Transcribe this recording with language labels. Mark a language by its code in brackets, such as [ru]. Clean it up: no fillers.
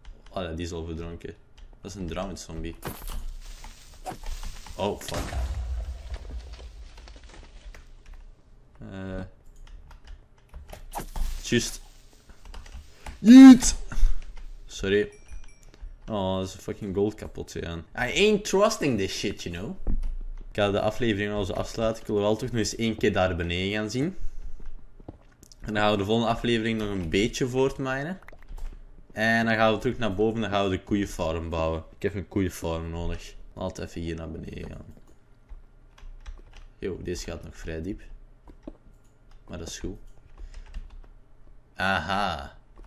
[nl] Ah, oh, die is al verdronken. Dat is een drowned zombie. [en] Oh, fuck. Just. Yeet! Sorry. [nl] Oh, er is een fucking gold kapotje aan. [en] I ain't trusting this shit, you know? [nl] Ik ga de aflevering al zo afsluiten. Ik wil wel toch nog eens één keer daar beneden gaan zien. En dan gaan we de volgende aflevering nog een beetje voortminen. En dan gaan we terug naar boven en dan gaan we de koeienfarm bouwen. Ik heb een koeienfarm nodig. Laat even hier naar beneden gaan. Yo, deze gaat nog vrij diep. Maar dat is goed. Aha.